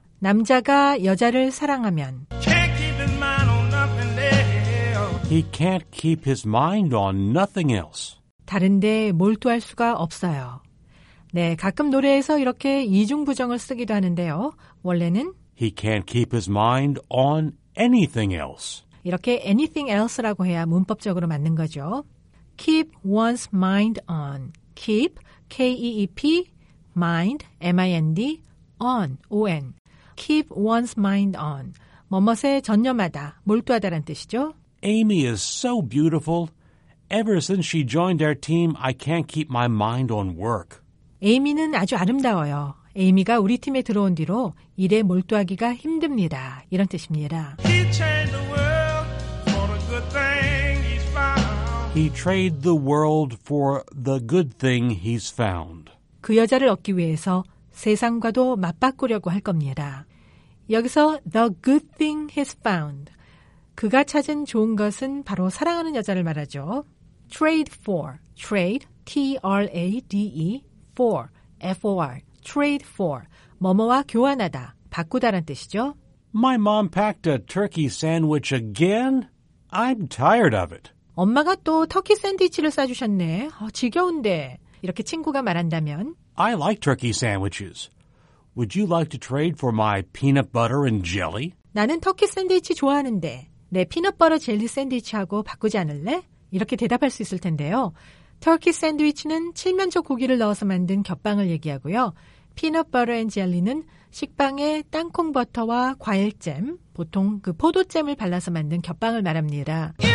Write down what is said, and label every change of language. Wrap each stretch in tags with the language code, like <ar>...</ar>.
<ko>남자가 여자를 사랑하면.</ko> <en>Can't keep his mind on nothing else. He can't keep his mind on nothing else.</en> <ko>다른데 몰두할 수가 없어요. 네, 가끔 노래에서 이렇게 이중부정을 쓰기도 하는데요. 원래는</ko> <en>He can't keep his mind on anything else.</en> <ko>이렇게</ko> <en>anything else</en> <ko>라고 해야 문법적으로 맞는 거죠.</ko> <en>Keep one's mind on. Keep, K-E-E-P. Mind, M-I-N-D, on, O-N. Keep one's mind on.</en> <ko>뭐뭇에 전념하다, 몰두하다란 뜻이죠.</ko> <en>Amy is so beautiful. Ever since she joined our team, I can't keep my mind on work.</en> <ko>Amy는 아주 아름다워요. Amy가 우리 팀에 들어온 뒤로 일에 몰두하기가 힘듭니다. 이런 뜻입니다.</ko> <en>He changed the world for a good thing he's found. He traded the world for the good thing he's found.</en> <ko>그 여자를 얻기 위해서 세상과도 맞바꾸려고 할 겁니다. 여기서</ko> <en>the good thing he's found.</en> <ko>그가 찾은 좋은 것은 바로 사랑하는 여자를 말하죠.</ko> <en>Trade for. Trade. T-R-A-D-E. For. F-O-R. Trade for.</en> <ko>뭐뭐와 교환하다, 바꾸다란 뜻이죠.</ko> <en>My mom packed a turkey sandwich again. I'm tired of it.</en> <ko>엄마가 또 터키 샌드위치를 싸주셨네. 지겨운데. 이렇게 친구가 말한다면</ko> <en>I like turkey sandwiches. Would you like to trade for my peanut butter and jelly?</en> <ko>나는 터키 샌드위치 좋아하는데 내 peanut butter jelly 샌드위치하고 바꾸지 않을래? 이렇게 대답할 수 있을 텐데요. 터키 샌드위치는 칠면조 고기를 넣어서 만든 겹빵을 얘기하고요. peanut butter and jelly는 식빵에 땅콩 버터와 과일잼, 보통 그 포도잼을 발라서 만든 겹빵을 말합니다.</ko>